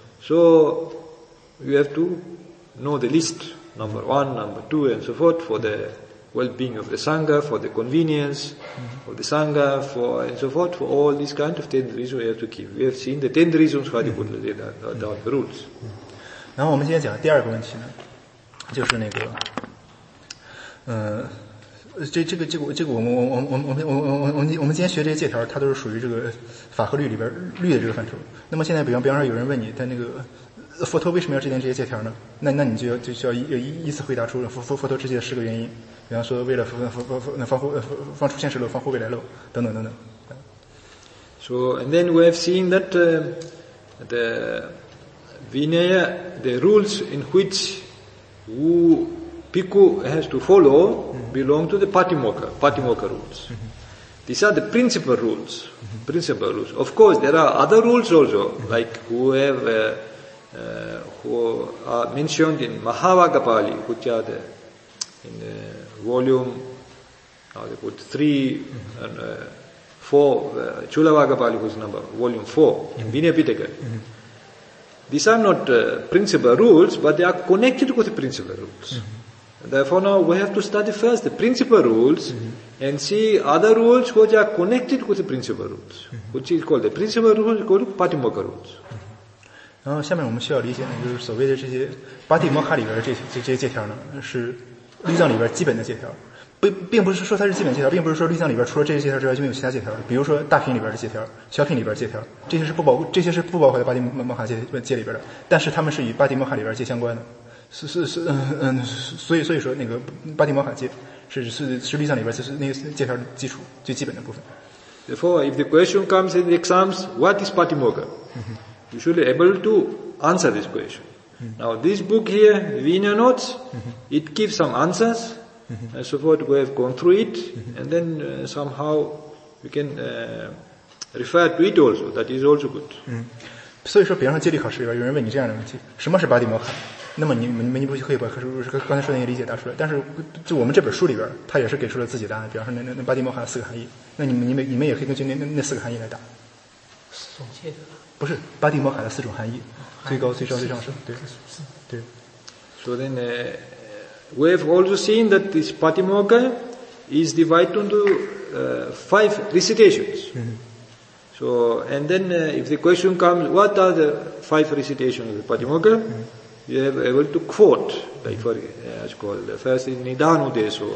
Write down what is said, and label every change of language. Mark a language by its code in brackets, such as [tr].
[en] So you have to know the list, number one, number two, and so forth, for the well-being of the Sangha, for the convenience mm-hmm. of the Sangha, for and so forth, for all these kind of 10 reasons we have to keep. We have seen the 10 reasons why you put down the rules. [zh] 然后我们今天讲第二个问题呢，就是那个，这个我们今天学这些戒条，它都是属于这个法和律里边律的这个范畴。那么现在比方说有人问你，他那个佛陀为什么要制定这些戒条呢？那你就需要依次回答出佛陀制定的十个原因。比方说，为了防出现实漏，防护未来漏，等等。 [en] So and then we have seen that the Vinaya, the rules in which bhikkhu has to follow, belong to the Patimokkha rules. Mm-hmm. These are the principal rules. Mm-hmm. Principal rules. Of course, there are other rules also, like who are mentioned in Mahavagapali, which are the in the volume, now they put 3 and 4, Chulavagapali was number, volume 4, mm-hmm. in Vinayapitaka. Mm-hmm. These are not principal rules, but they are connected with the principal rules. Mm-hmm. Therefore, now we have to study first the principal rules mm-hmm. and see other rules which are connected with the principal rules, mm-hmm. which is called the principal rules, called Patimokkha rules. [zh] 然后下面我们需要理解呢，就是所谓的这些巴蒂摩卡里边的这些戒条呢，是律藏里边基本的戒条，并不是说它是基本戒条，并不是说律藏里边除了这些戒条之外就没有其他戒条，比如说大品里边的戒条、小品里边戒条，这些是不包括在巴蒂摩卡戒里边的，但是他们是与巴蒂摩卡里边戒相关的，所以说那个巴蒂摩卡戒是律藏里边就是那个戒条基础最基本的部分。 [en] Therefore, if the question comes in the exams, what is Patimokkha?、 Mm-hmm. You should be able to answer this question.、 Mm-hmm. Now, this book here, Vinaya Notes,、 mm-hmm. it gives some answers,、 mm-hmm. and so forth. We have gone through it,、 mm-hmm. and then、somehow we can、refer to it also. That is also good.、 Mm-hmm. [zh] 所以说，比方说戒律考试里边，有人问你这样的问题：什么是巴蒂摩卡？那么你不可以把刚才说的那些理解答出来？但是就我们这本书里边，他也是给出了自己答案。比方说那巴蒂摩卡四个含义，那你们也可以根据那四个含义来答。总结的。不是巴蒂摩卡的四种含义，最高、最高、最上升，对，对。 [en] So then, we have also seen that this Patimokkha is divided into five recitations.、 Mm-hmm. So, and then、if the question comes, what are the five recitations of the Patimokkha?、 Mm-hmm. You have able to quote, like、mm-hmm. for it's called first is Nidhana Udeso,、